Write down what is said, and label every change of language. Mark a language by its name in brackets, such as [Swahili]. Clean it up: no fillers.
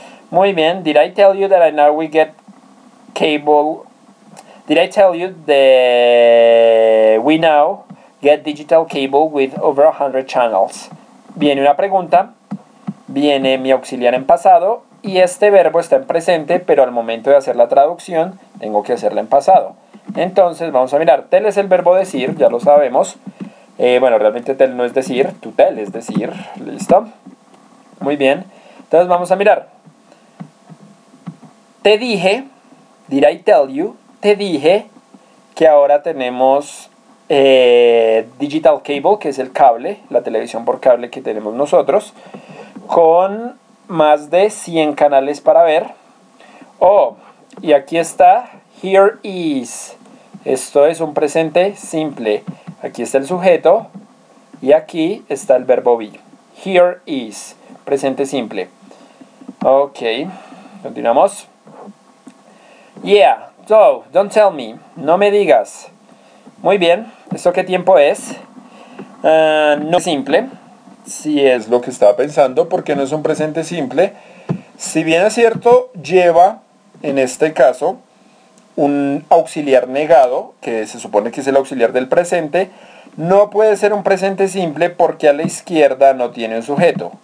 [Spanish] Muy bien, [English] did I tell you that I now we get cable? Did I tell you that we now get digital cable with over 100 channels? [Spanish] Viene una pregunta, viene mi auxiliar en pasado y este verbo está en presente, pero al momento de hacer la traducción tengo que hacerla en pasado. Entonces vamos a mirar, tell es el verbo decir, ya lo sabemos. Bueno, realmente tell no es decir, to tell es decir, ¿listo? Muy bien, entonces vamos a mirar. Te dije, [English] did I tell you, [Spanish] te dije que ahora tenemos digital cable, que es el cable, la televisión por cable que tenemos nosotros, con más de 100 canales para ver. Oh, y aquí está, [English] here is, [Spanish] esto es un presente simple, aquí está el sujeto y aquí está el verbo be, here is, presente simple. Ok, continuamos. [English] Yeah, so, don't tell me, [Spanish] no me digas. Muy bien, ¿esto qué tiempo es? No es simple, si es lo que estaba pensando, porque no es un presente simple. Si bien es cierto, lleva, en este caso, un auxiliar negado, que se supone que es el auxiliar del presente, no puede ser un presente simple porque a la izquierda no tiene un sujeto.